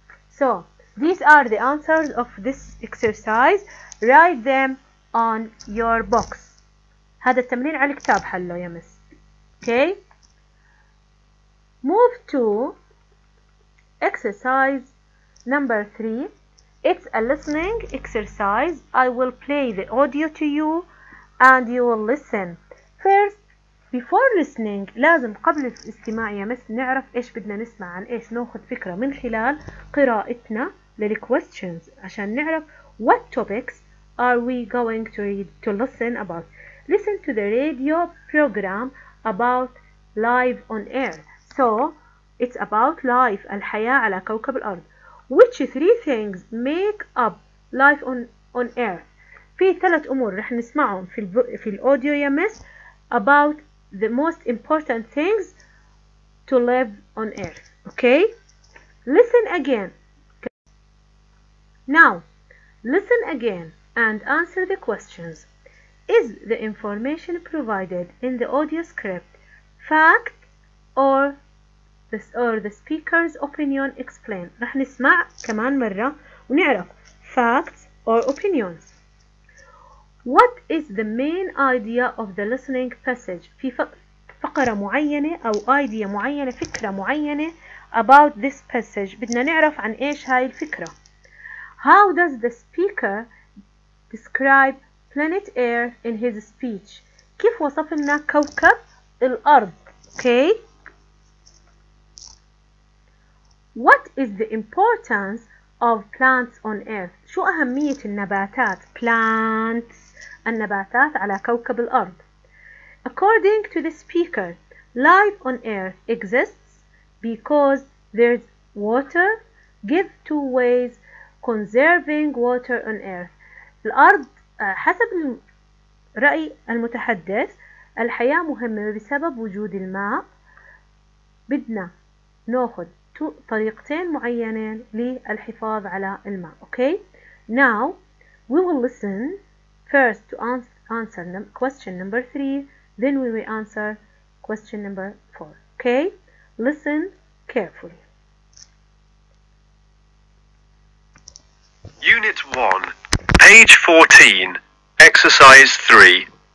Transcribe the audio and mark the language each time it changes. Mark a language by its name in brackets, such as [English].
[English] So these are the answers of this exercise. Write them on your box. [Arabic] هذا التمرين على الكتاب حله يا مس. [English] Okay. Move to exercise number 3. It's a listening exercise. I will play the audio to you and you will listen. First, before listening, [Arabic] لازم قبل الاستماع يا مس نعرف ايش بدنا نسمع عن ايش, ناخذ فكرة من خلال قراءتنا للquestions عشان نعرف [English] what topics are we going to read to listen about. Listen to the radio program about life on air. So, it's about life, [Arabic] الحياة على كوكب الأرض. [English] Which three things make up life on earth? [Arabic] في ثلاث أمور رح نسمعهم في الأوديو يا مس [English] about the most important things to live on earth. Okay? Listen again. Now, listen again and answer the questions. Is the information provided in the audio script fact or this or the speaker's opinion explain? [Arabic] رح نسمع كمان مرة ونعرف [English] facts or opinions. What is the main idea of the listening passage? [Arabic] في فقرة معينة أو idea معينة فكرة معينة [English] about this passage. [Arabic] بدنا نعرف عن إيش هاي الفكرة. [English] How does the speaker describe planet Earth in his speech? [Arabic] كيف وصف لنا كوكب الأرض؟ Okay. [English] What is the importance of plants on Earth? [Arabic] شو أهمية النباتات؟ Plants. النباتات على كوكب الأرض. [English] According to the speaker, life on Earth exists because there's water. Give two ways conserving water on Earth. [Arabic] الأرض حسب رأي المتحدث الحياة مهمة بسبب وجود الماء. بدنا نأخذ طريقتين معينين للحفاظ على الماء. [English] Okay. Now we will listen first to answer question number 3. Then we will answer question number 4. Okay. Listen carefully. Unit 1, page 14, exercise 3.